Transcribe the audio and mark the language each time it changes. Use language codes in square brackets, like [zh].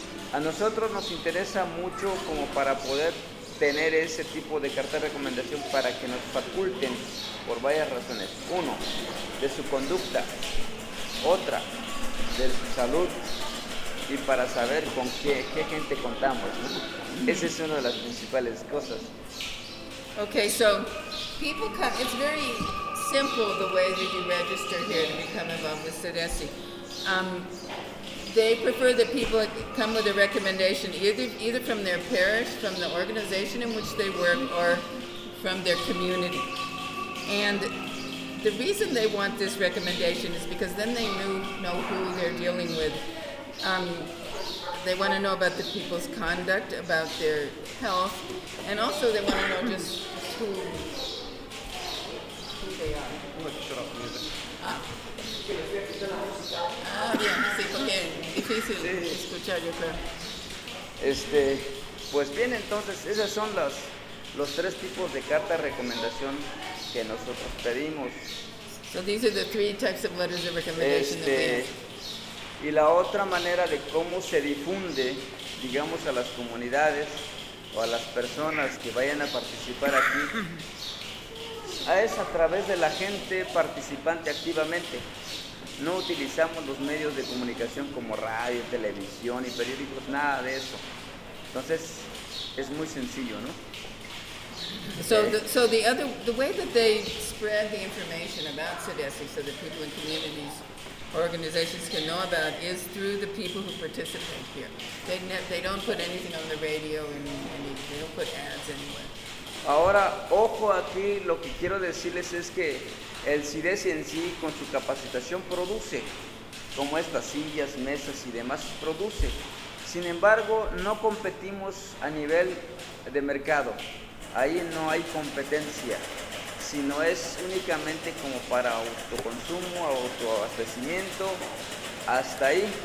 [es] A nosotros nos interesa mucho como para poder tener ese tipo de carta de recomendación para que nos faculten por varias razones. Uno, de su conducta. Otra, de su salud. Y para saber con qué gente contamos, ¿no? Esa es una de las principales cosas. [en] Okay, so people come. It's very simple the way that you register here to become involved with CIDESI. They prefer that people come with a recommendation either from their parish, from the organization in which they work, or from their community. And the reason they want this recommendation is because then they know who they're dealing with. They want to know about the people's conduct, about their health, and also they want to know just who they are. I'm going to shut off the music. [es] Pues bien, entonces, esas son las los tres tipos de carta de recomendación que nosotros pedimos. [en] So these are the three types of letters of recommendation [es] Y la otra manera de cómo se difunde, digamos, a las comunidades o a las personas que vayan a participar aquí, es a través de la gente participante activamente. No utilizamos los medios de comunicación como radio, televisión y periódicos, nada de eso. Entonces, es muy sencillo, ¿no? [en] So the way that they spread the information about CEDESI so that people in communities, organizations can know about is through the people who participate here. They don't put anything on the radio, they don't put ads anywhere. [es] Ahora, ojo aquí, lo que quiero decirles es que el CEDESI en sí, con su capacitación, produce, como estas sillas, mesas y demás, produce. Sin embargo, no competimos a nivel de mercado. Ahí no hay competencia, sino es únicamente como para autoconsumo, autoabastecimiento, hasta ahí.